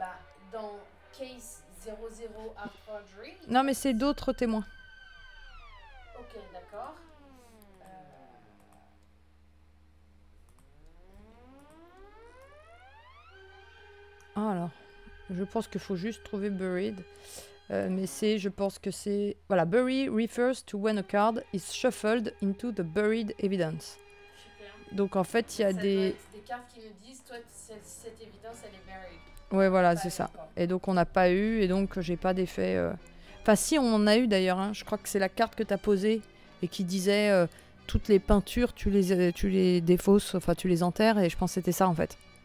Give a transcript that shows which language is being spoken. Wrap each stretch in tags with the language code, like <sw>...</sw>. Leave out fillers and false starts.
<fr>Bah, dans Case 00 à Forgery. Non, mais c'est d'autres témoins. Ok, d'accord. Alors, je pense qu'il faut juste trouver Buried. Mais c'est, je pense que c'est... Voilà,</fr> <en>bury refers to when a card is shuffled into the buried evidence.</en> <fr>Super. Donc en fait, il y a des... des cartes qui nous disent, toi, cette évidence, elle est buried. Ouais, voilà, c'est ça. Et donc on n'a pas eu, et donc j'ai pas d'effet... Enfin si, on en a eu d'ailleurs, hein. Je crois que c'est la carte que t'as posée, et qui disait, toutes les peintures, tu les défausses, enfin tu les enterres, et je pense que c'était ça en fait.</fr>